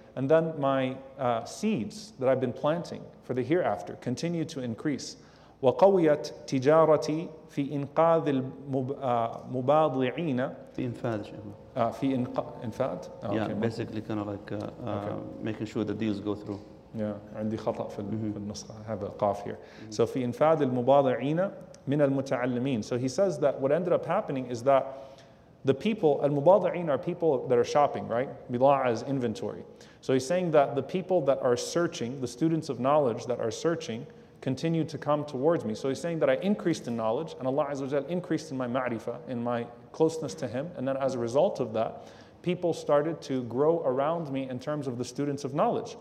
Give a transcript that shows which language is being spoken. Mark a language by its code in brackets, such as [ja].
[en] And then my seeds that I've been planting for the hereafter continue to increase. [ar] وَقَوِيَتْ تِجَارَتِي فِي إِنْقَاذِ الْمُبَاضِعِينَ. فِي إِنْفَاذِ. فِي إِنْفَاذِ. [en] Oh, yeah, okay. Basically kind of like making sure the deals go through. [ar] Yeah, عندي خطأ في النسخة. [en] I have a qaf here. So [ar] فِي إِنْفَاذِ الْمُبَاضِعِينَ مِنَ الْمُتَعَلِّمِينَ. [en] So he says that what ended up happening is that the people, al-mubadi'een, are people that are shopping, right? Bila'a is inventory. So he's saying that the people that are searching, the students of knowledge that are searching, continue to come towards me. So he's saying that I increased in knowledge, and Allah Azza wa Jalla increased in my ma'rifah, in my closeness to Him, and then as a result of that, people started to grow around me in terms of the students of knowledge.